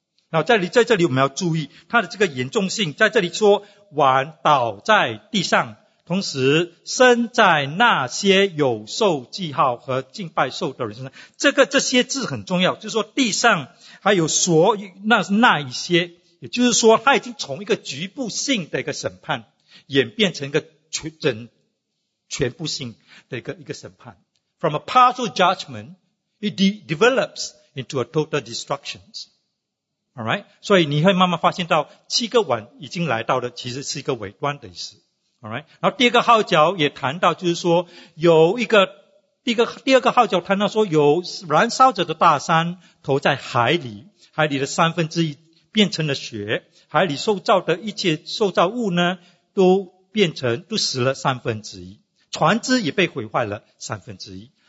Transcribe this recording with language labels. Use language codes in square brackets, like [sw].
[zh] 然后在这里我们要注意它的这个严重性，在这里说碗倒在地上，同时生在那些有受记号和敬拜受的人身上。这些字很重要，就是说地上还有所那一些。也就是说他已经从一个局部性的一个审判演变成一个全部性的一个审判。 [en] From a partial judgment, it develops into a total destruction. Alright? [zh] 所以你会慢慢发现到七个碗已经来到的其实是一个尾端的意思。 [en] Alright? [zh] 然后第二个号角也谈到，就是说有一个第二个号角谈到说有燃烧着的大山投在海里，海里的三分之一变成了血，海里受造的一切受造物呢都死了三分之一，船只也被毁坏了三分之一。